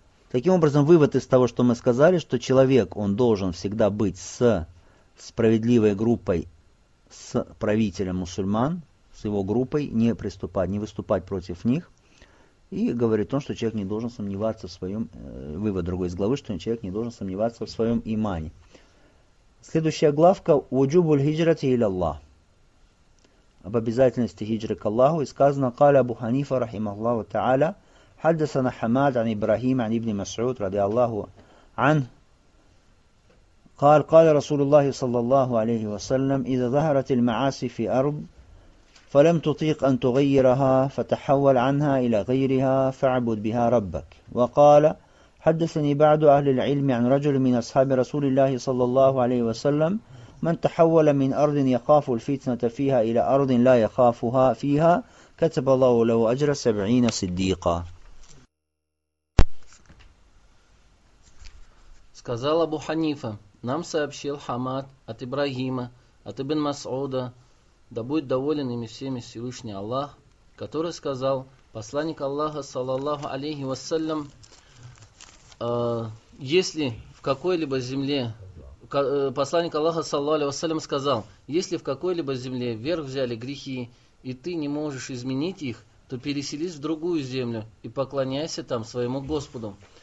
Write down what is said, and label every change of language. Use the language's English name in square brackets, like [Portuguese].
[Russian] Таким образом, вывод из того, что мы сказали, что человек, он должен всегда быть с справедливой группой, с правителем мусульман, с его группой, не приступать, не выступать против них. И говорит он, что человек не должен сомневаться в своем, вывод другой из главы, что человек не должен сомневаться в своем имане. Следующая главка, [Arabic] «Уджубуль хиджрати иля Аллах», [Russian] об обязательности хиджры к Аллаху, и сказано, [Arabic] «Каля Абу Ханифа, рахима Аллаху та'аля», حدثنا حماد عن إبراهيم عن ابن مسعود رضي الله عنه قال قال رسول الله صلى الله عليه وسلم إذا ظهرت المعاصي في أرض فلم تطيق أن تغيرها فتحول عنها إلى غيرها فاعبد بها ربك وقال حدثني بعض أهل العلم عن رجل من أصحاب رسول الله صلى الله عليه وسلم من تحول من أرض يخاف الفتنة فيها إلى أرض لا يخافها فيها كتب الله له أجر 70 صديقا. [Russian] Сказал Абу Ханифа, нам сообщил Хамад от Ибрагима, от Ибн Масуда, да будет доволен ими всеми Всевышний Аллах, который сказал, посланник Аллаха, саллаллаху алейхи вассалям, если в какой-либо земле, посланник Аллаха, саллаллаху алейхи вассалям, сказал, если в какой-либо земле вверх взяли грехи, и ты не можешь изменить их, то переселись в другую землю и поклоняйся там своему Господу.